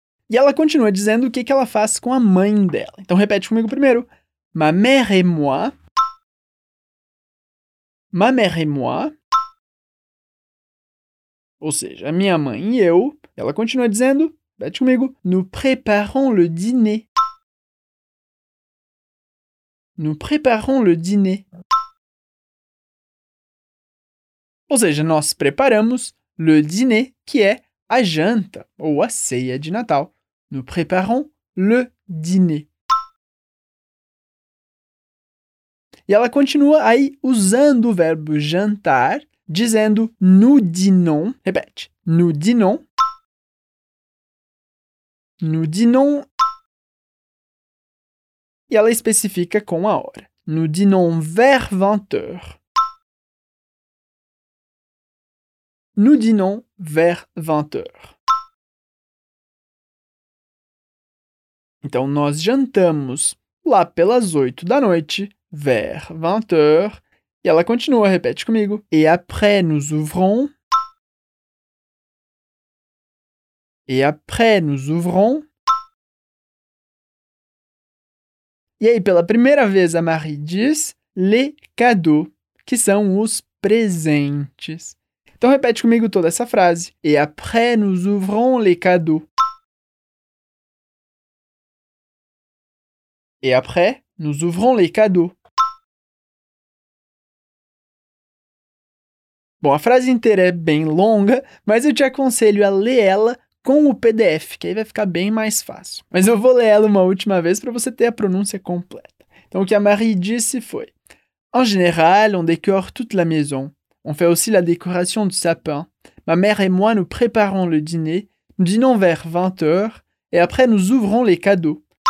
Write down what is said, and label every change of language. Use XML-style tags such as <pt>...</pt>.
<pt>E ela continua dizendo o que, que ela faz com a mãe dela. Então repete comigo primeiro.</pt> <fr>Ma mère et moi. Ma mère et moi.</fr> <pt>Ou seja, minha mãe e eu. Ela continua dizendo, repete comigo.</pt> <fr>Nous préparons le dîner. Nous préparons le dîner.</fr> <pt>Ou seja, nós preparamos</pt> <fr>le dîner,</fr> <pt>que é a janta ou a ceia de Natal.</pt> <fr>Nous préparons le dîner.</fr> <pt>E ela continua aí usando o verbo jantar, dizendo</pt> <fr>nous dînons.</fr> <pt>Repete.</pt> <fr>Nous dînons. Nous dînons.</fr> <pt>E ela especifica com a hora.</pt> <fr>Nous dînons vers 20h. Nous dînons vers 20h.</fr> <pt>Então, nós jantamos lá pelas 8 da noite,</pt> <fr>vers 20h.</fr> <pt>E ela continua, repete comigo.</pt> <fr>Et après, nous ouvrons. Et après, nous ouvrons.</fr> <pt>E aí, pela primeira vez, a Marie diz</pt> <fr>les cadeaux,</fr> <pt>que são os presentes. Então, repete comigo toda essa frase.</pt> <fr>Et après, nous ouvrons les cadeaux. Et après, nous ouvrons les cadeaux.</fr> <pt>Bom, a frase inteira é bem longa, mas eu te aconselho a ler ela com o PDF, que aí vai ficar bem mais fácil. Mas eu vou ler ela uma última vez para você ter a pronúncia completa. Então, o que a Marie disse foi:</pt> <fr>En général, on décore toute la maison. On fait aussi la décoration du sapin. Ma mère et moi, nous préparons le dîner. Nous dînons vers 20h. Et après, nous ouvrons les cadeaux.</fr>